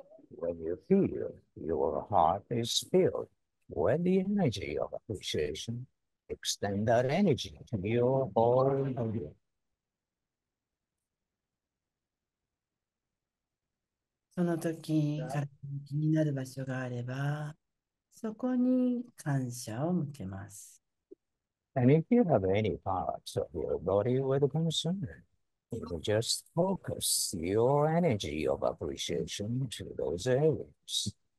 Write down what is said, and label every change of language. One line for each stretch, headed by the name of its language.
English: When you feel your heart is filled. When the energy of appreciation extend that energy to your whole body.
Japanese: その時、気になる場所があれば、そこに感謝を向けます。
English: And if you have any parts of your body with concern, you can just focus your energy of appreciation to those areas.